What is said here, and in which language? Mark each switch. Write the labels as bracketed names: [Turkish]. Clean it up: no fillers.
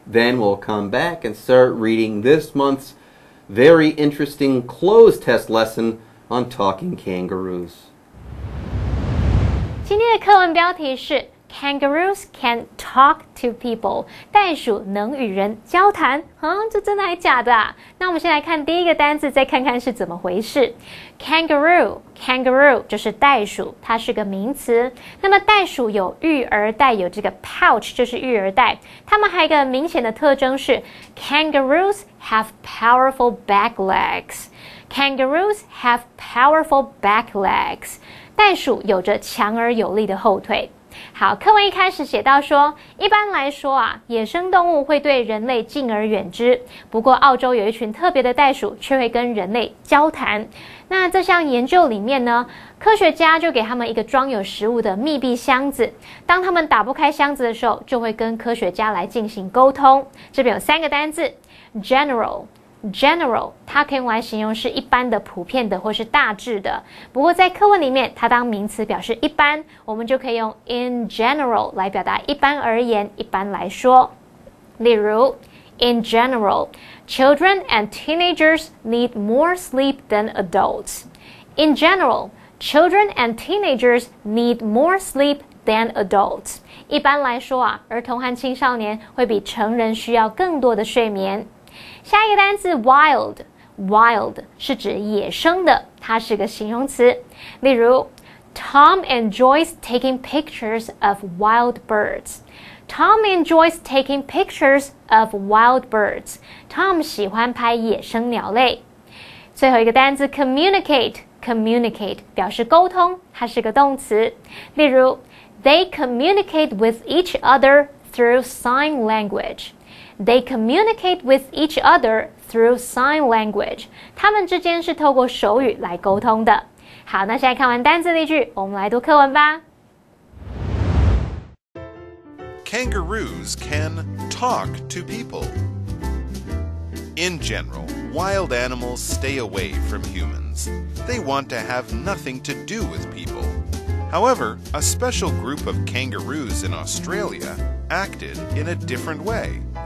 [English] Then we'll come back and start reading this month's very interesting clothes test lesson on talking kangaroos. [Chinese] 今天的课文标题是 [English] Kangaroos can talk to people. [Chinese] 袋鼠能与人交谈。这真的还假的啊？那我们先来看第一个单字，再看看是怎么回事。Kangaroo 就是袋鼠，它是个名词。那么袋鼠有育儿袋，有这个 pouch， 就是育儿袋。它们还有一个明显的特征是 [English] Kangaroos have powerful back legs. Kangaroos have powerful back legs. [Chinese] 袋鼠有着强而有力的后腿。好，课文一开始写到说，一般来说啊，野生动物会对人类敬而远之。不过，澳洲有一群特别的袋鼠，却会跟人类交谈。那这项研究里面呢，科学家就给他们一个装有食物的密闭箱子，当他们打不开箱子的时候，就会跟科学家来进行沟通。这边有三个单字 ，general。General， 它可以用来形容是一般的、普遍的或是大致的。不过在课文里面，它当名词表示一般，我们就可以用 in general 来表达一般而言、一般来说。例如 [English] ，In general， children and teenagers need more sleep than adults. In general， children and teenagers need more sleep than adults. [Chinese] 一般来说啊，儿童和青少年会比成人需要更多的睡眠。下一个单字 wild 是指野生的，它是个形容词。例如 [English] ，Tom enjoys taking pictures of wild birds. Tom enjoys taking pictures of wild birds. [Chinese] Tom 喜欢拍野生鸟类。最后一个单字 communicate 表示沟通，它是个动词。例如 [English] ，They communicate with each other through sign language. They communicate with each other through sign language. [Chinese] 他们之间是透过手语来沟通的。好，那现在看完单字例句，我们来读课文吧。 [English] Kangaroos can talk to people. In general, wild animals stay away from humans. They want to have nothing to do with people. However, a special group of kangaroos in Australia acted in a different way.